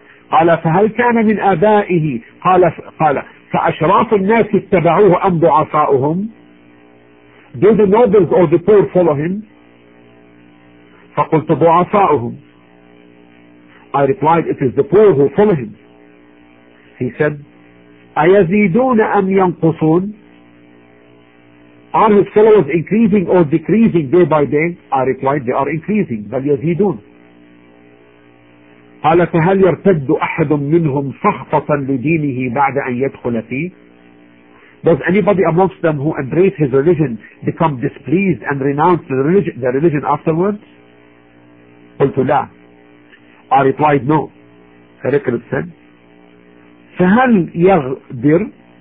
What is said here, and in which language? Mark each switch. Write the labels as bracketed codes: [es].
[ar] قال فهل كان من آبائه؟ قال فأشراف الناس اتبعوه أم ضعفاؤهم؟ [en] Do the nobles or the poor follow him? [ar] فقلت ضعفاؤهم. [en] I replied, it is the poor who follow him. He said, [ar] أيزيدون أم ينقصون? [en] Are his followers increasing or decreasing day by day? I replied, they are increasing, [ar] بل يزيدون. قال فهل يرتد أحد منهم سخطة لدينه بعد أن يدخل فيه? [en] Does anybody amongst them who embrace his religion become displeased and renounce the religion afterwards? [ar] قلت لا. [en] I replied no. Heraclius said, [ar] فهل يغدر?